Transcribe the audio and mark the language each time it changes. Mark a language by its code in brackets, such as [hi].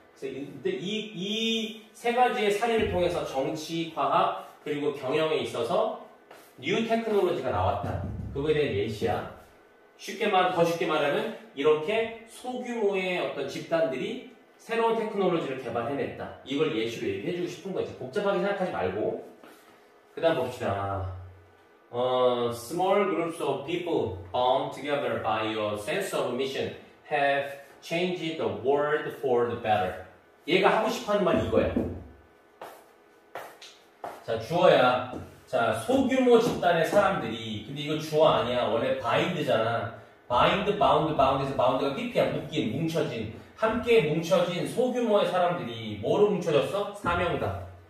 [ko] 근데 이 세 가지의 사례를 통해서 정치, 과학, 그리고 경영에 있어서 뉴 테크놀로지가 나왔다. 그거에 대한 예시야. 더 쉽게 말하면 이렇게 소규모의 어떤 집단들이 새로운 테크놀로지를 개발해냈다. 이걸 예시로 얘기해주고 싶은 거지. 복잡하게 생각하지 말고. 그 다음 봅시다. [en] Small groups of people bound together by a sense of mission have change the world for the better. [ko] 얘가 하고 싶어하는 말 이거야. 자, 주어야. 자, 소규모 집단의 사람들이. 근데 이거 주어 아니야. 원래 bind잖아. bind, bound, bound에서 bound가 깊이야. 묶인, 뭉쳐진. 함께 뭉쳐진 소규모의 사람들이 뭐로 뭉쳐졌어? 사명감.